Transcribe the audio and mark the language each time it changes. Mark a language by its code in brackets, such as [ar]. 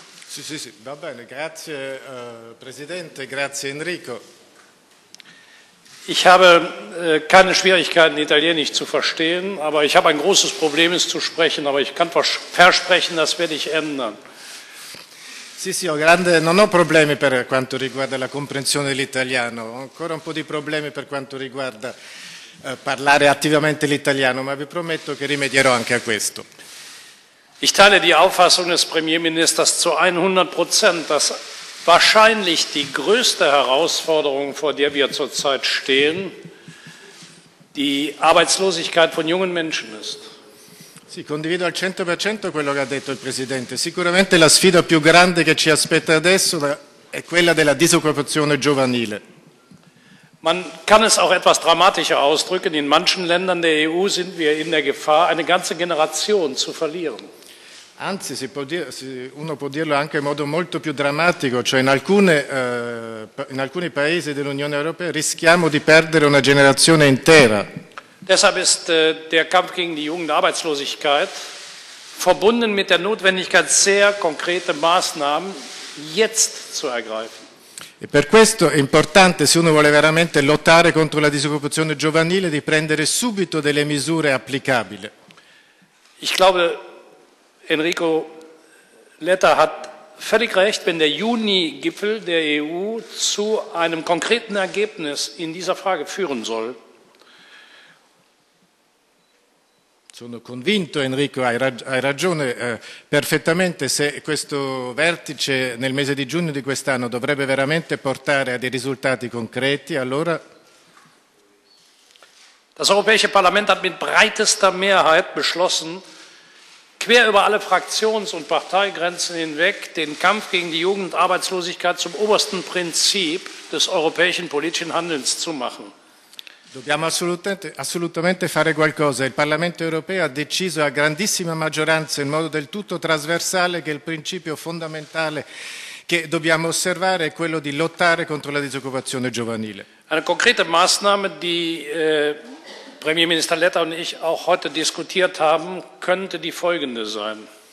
[it] Sì, sì, sì, va bene. Grazie, Presidente. Grazie, Enrico. [de] Ich habe keine Schwierigkeiten, Italienisch zu verstehen, aber ich habe ein großes Problem, es zu sprechen, aber ich kann versprechen, das werde ich ändern. [it] Sì, sì, ho grande, non ho problemi per quanto riguarda la comprensione dell'italiano, ho ancora un po' di problemi per quanto riguarda parlare attivamente l'italiano, ma vi prometto che rimedierò anche a questo. [de] Ich teile die Auffassung des Premierministers zu 100%, dass wahrscheinlich die größte Herausforderung, vor der wir zurzeit stehen, die Arbeitslosigkeit von jungen Menschen ist. [it] Sì, condivido al 100% quello che ha detto il Presidente. Sicuramente la sfida più grande che ci aspetta adesso è quella della disoccupazione giovanile. [de] Man kann es auch etwas dramatischer ausdrücken. In manchen Ländern der EU sind wir in der Gefahr, eine ganze Generation zu verlieren. [it] Anzi, uno può dirlo anche in modo molto più drammatico, cioè in alcuni paesi dell'Unione Europea rischiamo di perdere una generazione intera. [de] Deshalb ist der Kampf gegen die Jugendarbeitslosigkeit verbunden mit der Notwendigkeit, sehr konkrete Maßnahmen jetzt zu ergreifen. [it] E per questo è importante, se uno vuole veramente lottare contro la disoccupazione giovanile, di prendere subito delle misure applicabili. [de] Ich glaube, Enrico Letta hat völlig recht, wenn der Juni-Gipfel der EU zu einem konkreten Ergebnis in dieser Frage führen soll. [it] Sono convinto, Enrico, hai ragione perfettamente, se questo vertice nel mese di giugno di quest'anno dovrebbe veramente portare a dei risultati concreti, allora... [de] Das Europäische Parlament hat mit breitester Mehrheit beschlossen, quer über alle Fraktions- und Parteigrenzen hinweg den Kampf gegen die Jugendarbeitslosigkeit zum obersten Prinzip des europäischen politischen Handelns zu machen. [it] Dobbiamo assolutamente fare qualcosa. Il Parlamento europeo ha deciso a grandissima maggioranza, in modo del tutto trasversale, che il principio fondamentale che dobbiamo osservare è quello di lottare contro la disoccupazione giovanile. [de] Eine konkrete Maßnahme, die Premierminister Letta und ich auch heute diskutiert haben, könnte die folgende sein.